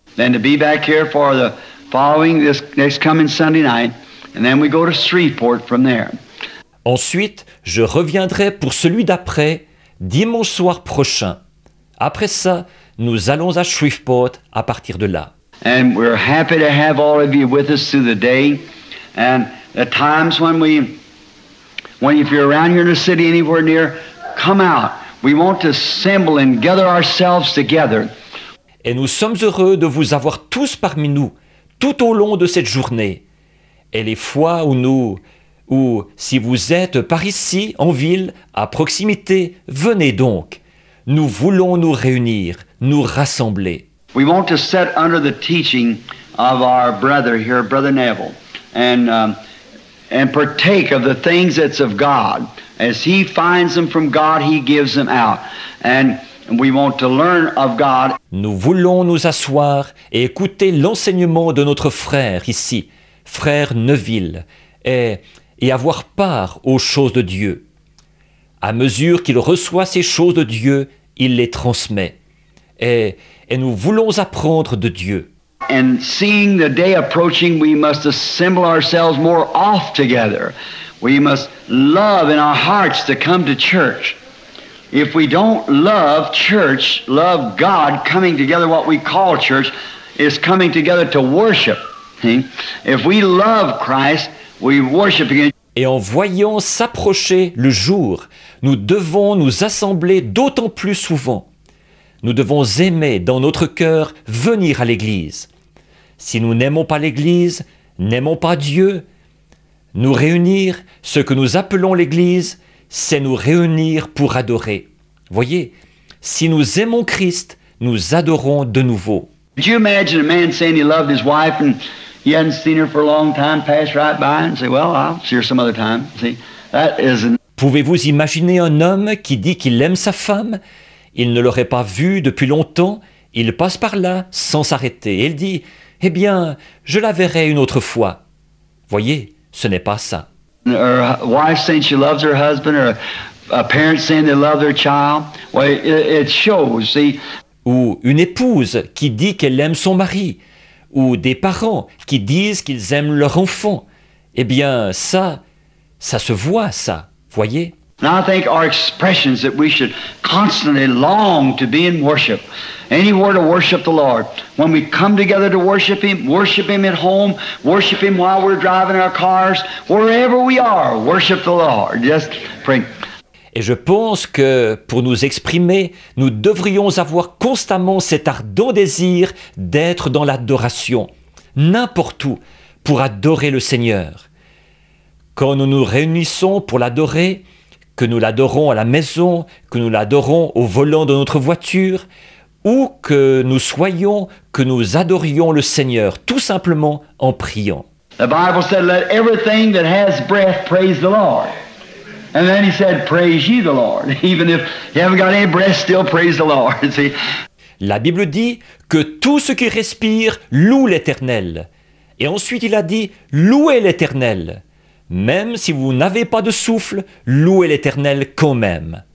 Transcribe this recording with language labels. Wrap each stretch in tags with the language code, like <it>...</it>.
<en>Then to be back here for the following this next coming Sunday night, and then we go to Shreveport from there.</en> <fr>Ensuite, je reviendrai pour celui d'après, dimanche soir prochain. Après ça, nous allons à Shreveport à partir de là.</fr> <en>And we're happy to have all of you with us through the day. And at times when if you're around here in the city anywhere near, come out. We want to assemble and gather ourselves together.</en> <fr>Et nous sommes heureux de vous avoir tous parmi nous, tout au long de cette journée. Et les fois où nous... Ou si vous êtes par ici, en ville, à proximité, venez donc. Nous voulons nous réunir, nous rassembler.</fr> <en>We want to sit under the teaching of our brother here, Brother Neville, and partake of the things that's of God. As he finds them from God, he gives them out. And we want to learn of God.</en> <fr>Nous voulons nous asseoir et écouter l'enseignement de notre frère ici, frère Neville, et avoir part aux choses de Dieu. À mesure qu'il reçoit ces choses de Dieu, il les transmet. Et nous voulons apprendre de Dieu.</fr> <en>And seeing the day approaching, we must assemble ourselves more oft together. We must love in our hearts to come to church. If we don't love church, love God, coming together, what we call church, is coming together to worship. If we love Christ, we worship again.</en> <fr>Et en voyant s'approcher le jour, nous devons nous assembler d'autant plus souvent. Nous devons aimer dans notre cœur venir à l'Église. Si nous n'aimons pas l'Église, n'aimons pas Dieu. Nous réunir, ce que nous appelons l'Église, c'est nous réunir pour adorer. Voyez, si nous aimons Christ, nous adorons de nouveau.</fr> <en>Could you imagine a man saying he loved his wife and he hadn't seen her for a long time pass right by and say, well, I'll see her some other time. See, that isn't...</en> <fr>Pouvez-vous imaginer un homme qui dit qu'il aime sa femme? Il ne l'aurait pas vue depuis longtemps. Il passe par là sans s'arrêter. Il dit, eh bien, je la verrai une autre fois. Voyez, ce n'est pas ça.</fr> <en>Her wife saying she loves her husband or a parent saying they love their child. Well, it shows, see...</en> <fr>Ou une épouse qui dit qu'elle aime son mari, ou des parents qui disent qu'ils aiment leur enfant. Eh bien, ça se voit, ça, voyez.</fr> <en>Now I think our expressions that we should constantly long to be in worship, anywhere to worship the Lord. When we come together to worship Him at home, worship Him while we're driving our cars, wherever we are, worship the Lord. Just pray.</en> <fr>Et je pense que, pour nous exprimer, nous devrions avoir constamment cet ardent désir d'être dans l'adoration, n'importe où, pour adorer le Seigneur. Quand nous nous réunissons pour l'adorer, que nous l'adorons à la maison, que nous l'adorons au volant de notre voiture, ou que nous soyons, que nous adorions le Seigneur, tout simplement en priant. La Bible dit</fr> <en>« Let everything that has breath praise the Lord ». And then he said, praise ye the Lord. Even if you haven't got any breath, still praise the Lord. See?</en> <fr>La Bible dit que tout ce qui respire loue l'Éternel. Et ensuite il a dit, louez l'Éternel. Même si vous n'avez pas de souffle, louez l'Éternel quand même.</fr>